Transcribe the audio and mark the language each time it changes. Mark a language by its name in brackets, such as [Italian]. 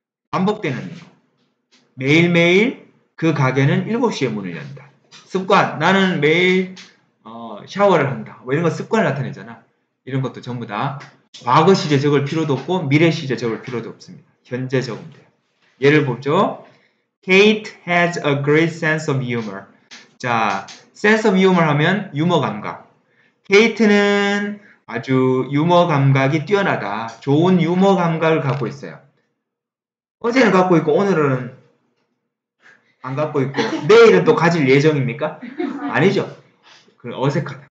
[Korean] 반복되는 거, 매일매일 그 가게는 7시에 문을 연다. 습관. 나는 매일 샤워를 한다. 뭐 이런 거 습관을 나타내잖아. 이런 것도 전부 다 과거 시제 적을 필요도 없고 미래 시제 적을 필요도 없습니다. 현재 적으면 돼요. 예를 보죠. [English] Kate has a great sense of humor. [Korean] 자, sense of humor 하면 유머 감각. Kate는 아주 유머 감각이 뛰어나다. 좋은 유머 감각을 갖고 있어요. 어제는 갖고 있고 오늘은 안 갖고 있고, 내일은 또 가질 예정입니까? 아니죠. 어색하다.